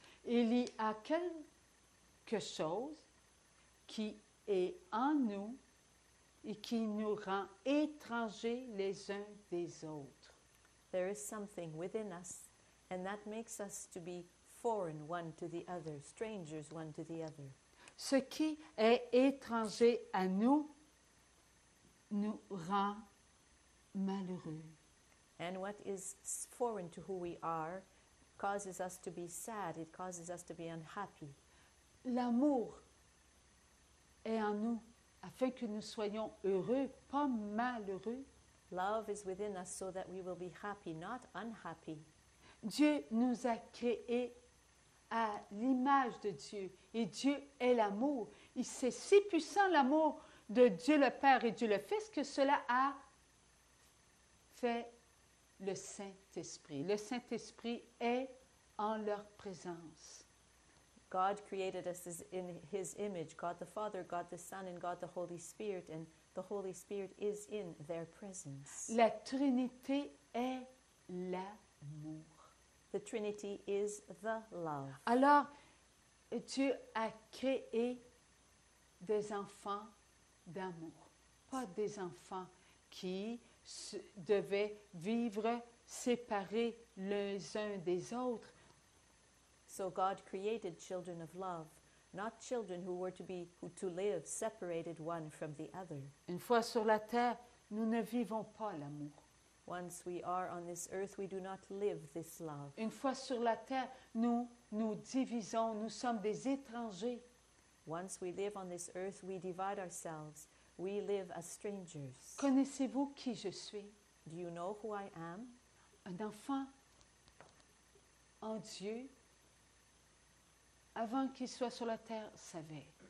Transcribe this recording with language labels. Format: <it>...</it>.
<fr>Il y a quelque chose qui est en nous et qui nous rend étrangers les uns des autres.</fr> <en>There is something within us, and that makes us to be foreign one to the other, strangers one to the other.</en> <fr>Ce qui est étranger à nous nous rend malheureux.</fr> <en>And what is foreign to who we are causes us to be sad, it causes us to be unhappy.</en> <fr>L'amour est en nous afin que nous soyons heureux, pas malheureux.</fr> <en>Love is within us so that we will be happy, not unhappy.</en> <fr>Dieu nous a créés à l'image de Dieu. Et Dieu est l'amour. Et c'est si puissant l'amour de Dieu le Père et Dieu le Fils que cela a fait le Saint-Esprit. Le Saint-Esprit est en leur présence.</fr> <en>God created us in His image. God the Father, God the Son, and God the Holy Spirit. And the Holy Spirit is in their presence.</en> <fr>La Trinité est l'amour.</fr> <en>The Trinity is the love.</en> <fr>Alors, Dieu a créé des enfants d'amour. Pas des enfants qui devaient vivre séparés les uns des autres.</fr> <en>So God created children of love, not children who were to be, who to live separated one from the other.</en> <fr>Une fois sur la terre, nous ne vivons pas l'amour.</fr> <en>Once we are on this earth, we do not live this love.</en> <fr>Une fois sur la terre, nous divisons, nous sommes des étrangers.</fr> <en>Once we live on this earth, we divide ourselves. We live as strangers.</en> <fr>Connaissez-vous qui je suis?</fr> <en>Do you know who I am?</en> <fr>Un enfant en Dieu, avant qu'il soit sur la terre, savait.</fr>